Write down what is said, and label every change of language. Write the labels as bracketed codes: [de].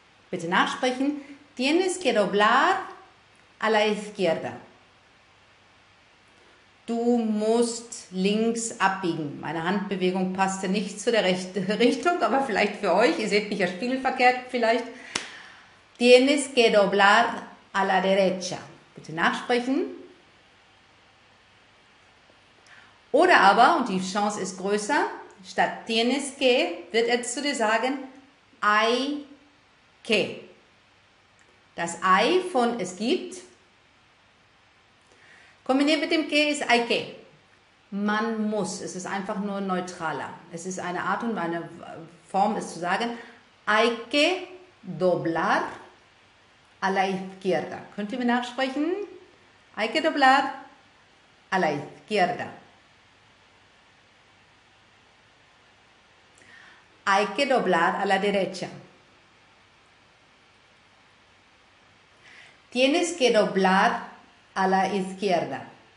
[de] Bitte nachsprechen, [es] tienes que doblar a la izquierda. [de] Du musst links abbiegen. Meine Handbewegung passte nicht zu der rechten Richtung, aber vielleicht für euch, ihr seht mich ja spiegelverkehrt vielleicht. [es] Tienes que doblar a la derecha. [de] Bitte nachsprechen. Oder aber, und die Chance ist größer, statt [es] tienes que [de] wird er zu dir sagen, [es] hay que. [de] Das hay von es gibt, kombiniert mit dem que ist [es] hay que. [de] Man muss. Es ist einfach nur neutraler. Es ist eine Art und eine Form, es zu sagen, [es] hay que doblar a la izquierda. [de] Könnt ihr mir nachsprechen? [es] Hay que doblar a la izquierda. Hay que doblar a la derecha. Tienes que doblar a la izquierda.